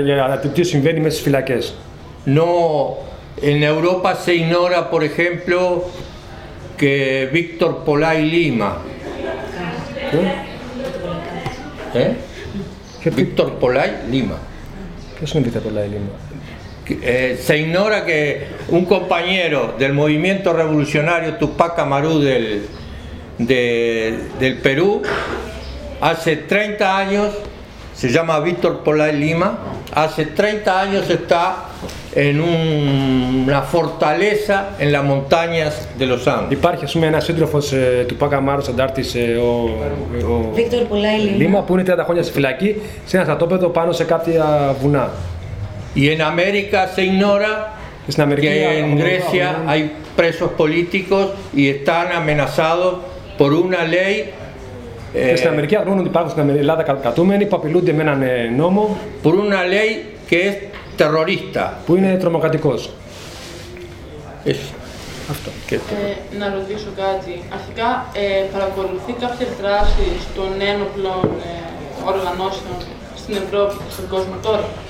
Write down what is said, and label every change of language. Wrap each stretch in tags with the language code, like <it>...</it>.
<el>Για τι συμβαίνει μέσα στις φυλακές.</el> <es>No, en Europa se ignora, por ejemplo, que Víctor Polay Lima. Víctor Polay Lima. ¿Qué es un Víctor Polay Lima? Se ignora que un compañero del movimiento revolucionario Tupac Amaru del del Perú hace 30 años, se llama Víctor Polay Lima, hace 30 años está en una fortaleza en las montañas de los Andes.</es> <el>Υπάρχει, ας πούμε, ένας σύντροφος του Πάκα Μάρος Αντάρτης, ο Βίκτορ Πολάι Λίμα, που είναι 30 χρόνια στη φυλακή, σε ένα στρατόπεδο πάνω σε κάποια βουνά.</el> <es>Y en América se ignora</es> <el>Αμερική,</el> <es>que en Grecia hay presos políticos y están amenazados por una ley.</es> <el>Στην Αμερική αγνώνουν ότι υπάρχουν στην Ελλάδα κρατούμενοι που απειλούνται με έναν νόμο.</el> <es>Por una ley que es terrorista.</es> <el>Που είναι τρομοκρατικός. Αυτό. Να ρωτήσω κάτι. Αρχικά, παρακολουθεί κάποιες δράσεις των ένοπλων οργανώσεων στην Ευρώπη και στον κόσμο τώρα.</el>